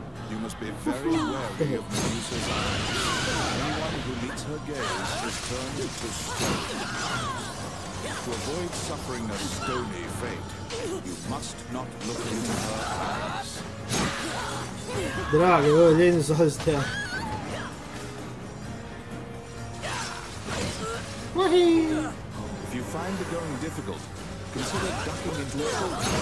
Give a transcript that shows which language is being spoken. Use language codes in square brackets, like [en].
[en] You must be very aware of Medusa's eyes. Anyone who meets her gaze is turned to stone. To avoid suffering a stony fate, you must not look into her eyes. [pt] Droga, eu olhei nos olhos dela. [en] If you find the going difficult, consider ducking into a hole.